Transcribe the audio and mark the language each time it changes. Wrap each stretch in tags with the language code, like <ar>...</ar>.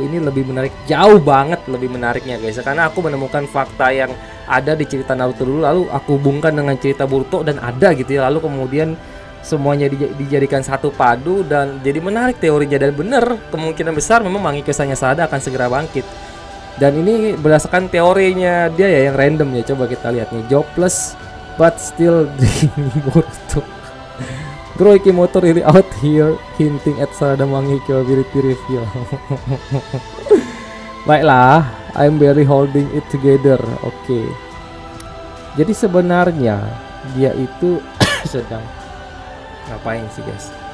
<id>Ini lebih menarik, jauh banget lebih menariknya guys ya, karena aku menemukan fakta yang ada di cerita Naruto dulu, lalu aku hubungkan dengan cerita Boruto dan ada gitu ya, lalu kemudian semuanya dijadikan satu padu dan jadi menarik teorinya. Dan benar, kemungkinan besar memang Mangekyo Sharingan Sarada akan segera bangkit. Dan ini berdasarkan teorinya dia ya, yang random ya. Coba kita lihat nih,</id> <en>jobless but still dreaming</en> <id>Boruto.</id> <en>Bro, Ikimoto really out here hinting at Sarada Mangekyo ability reveal.</en> <id>Baiklah,</id> <en>I'm barely holding it together.</en> <id>Oke, jadi sebenarnya dia itu sedang ngapain sih guys?</id>